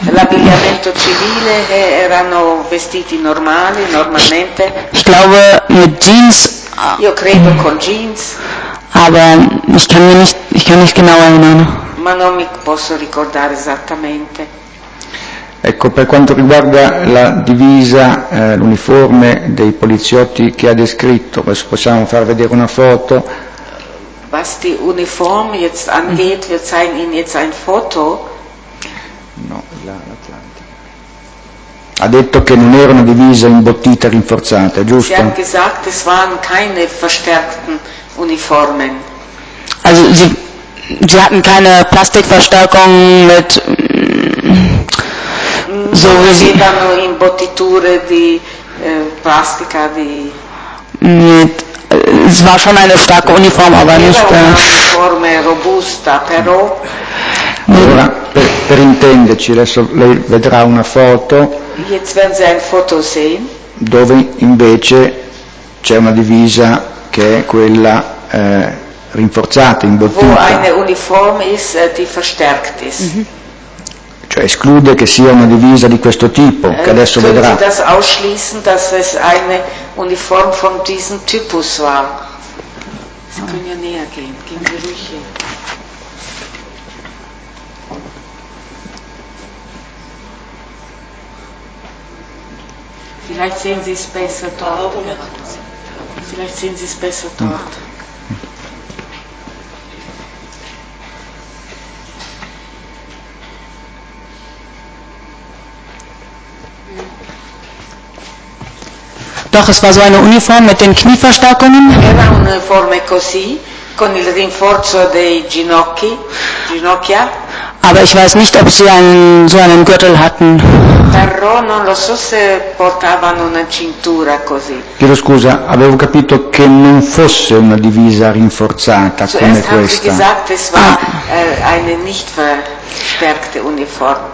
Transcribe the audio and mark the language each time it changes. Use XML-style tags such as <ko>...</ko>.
<it>L'abbigliamento civile erano vestiti normali, normalmente.</it> <de>Ich glaube mit Jeans.</de> <it>Io credo con Jeans.</it> <de>Aber ich kann nicht genau erinnern.</de> <it>Ma non mi posso ricordare esattamente. Ecco, per quanto riguarda la divisa, l'uniforme dei poliziotti che ha descritto, adesso possiamo far vedere una foto.</it> <de>Was die Uniform jetzt angeht, wir zeigen Ihnen jetzt ein Foto.</de> <it>No, l'Atlantica. Ha detto che non erano divise imbottite rinforzate, giusto?</it> <de>Sie haben gesagt, es waren keine verstärkten Uniformen. Also, sie hatten keine Plastikverstärkung mit...</de> <it>So, non esitano imbottiture di plastica, di...</it> <de>Es war schon eine starke Uniform, aber nicht</de> <it>uniforme robusta, però. Allora, per intenderci, adesso lei vedrà una foto.</it> <de>Jetzt werden Sie eine Foto sehen.</de> <it>Dove invece c'è una divisa che è quella rinforzata, imbottita.</it> <de>Wo eine Uniform ist, die verstärkt ist. Mm-hmm.</de> <it>Cioè esclude che sia una divisa di questo tipo, che adesso vedrà.</it> <de>Können Sie das ausschließen, dass es eine Uniform von diesem Typus war? Sie können ja näher gehen, gehen Sie ruhig hin. Vielleicht sehen Sie es besser dort. Vielleicht sehen Sie es besser dort. Doch, es war so eine Uniform mit den Knieverstärkungen.</de> <it>Era un'uniforme così, con il rinforzo dei ginocchi, ginocchia.</it> <de>Aber ich weiß nicht, ob sie so einen Gürtel hatten.</de> <it>Però non lo so se portavano una cintura così. Chiedo scusa, avevo capito che non fosse una divisa rinforzata</it> <de>Zuerst</de> <it>come questa.</it> <de>Zuerst haben Sie gesagt, es war eine nicht verstärkte Uniform.</de>